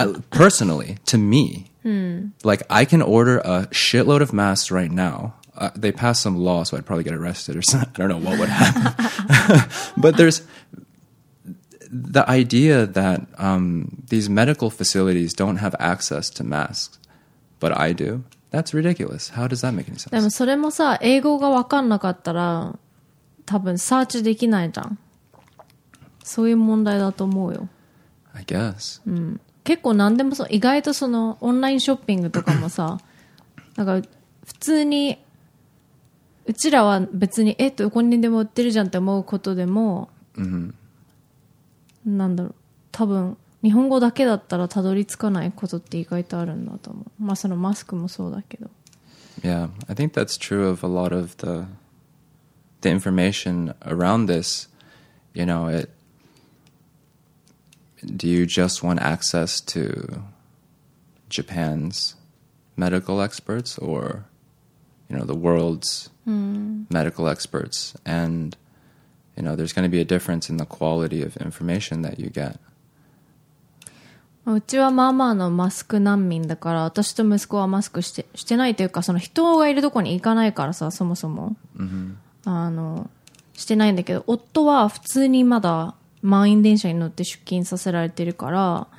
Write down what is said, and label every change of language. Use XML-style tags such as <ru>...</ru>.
<en>Personally, to me, I can order a shitload of masks right now. They passed some law, so I'd probably get arrested or something. I don't know what would happen. But there's the idea that these medical facilities don't have access to masks, but I do. That's ridiculous. How does that make any sense?</en> <ja>でもそれもさ、英語が分かんなかったら多分サーチできないじゃん。そういう問題だと思うよ。</ja> <en>I guess.</en> <ja>うん。結構何でもそう。意外とそのオンラインショッピングとかもさ、なんか普通にうちらは別にどこにでも売ってるじゃんって思うことでも、 mm-hmm. なんだろう、多分日本語だけだったらたどり着かないことって意外とあるんだと思う。まあそのマスクもそうだけど。</ja> <en>Yeah, I think that's true of a lot of the information around this. You know, it. Do you just want access to Japan's medical experts or, you know, the world's medical experts? And, you know, there's going to be a difference in the quality of information that you get.</en> <ja>うちはまあまあのマスク難民だから、私と息子はマスクしてないというか、その人がいるとこに行かないからさ、そもそも、 mm-hmm. してないんだけど、夫は普通にまだ満員電車に乗って出勤させられてるから、</ja>